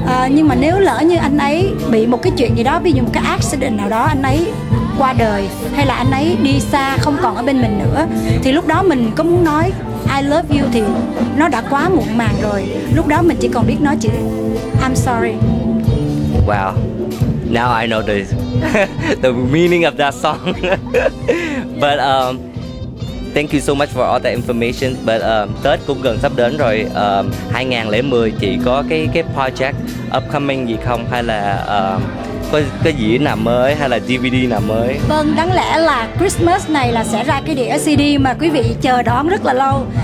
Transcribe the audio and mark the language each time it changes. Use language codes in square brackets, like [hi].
[vi] Nhưng mà nếu lỡ như anh ấy bị một cái chuyện gì đó, ví dụ một cái accident nào đó, anh ấy qua đời hay là anh ấy đi xa không còn ở bên mình nữa, thì lúc đó mình có muốn nói [en] I love you [vi] thì nó đã quá muộn màng rồi. Lúc đó mình chỉ còn biết nói chữ [en] I'm sorry. Wow, now I know the meaning of that song. But thank you so much for all that information. [vi] But Tết cũng gần sắp đến rồi. 2010 chị có cái project upcoming gì không, hay là cái gì nào mới, hay là DVD nào mới? Vâng, đáng lẽ là Christmas này là sẽ ra cái đĩa CD mà quý vị chờ đón rất là lâu.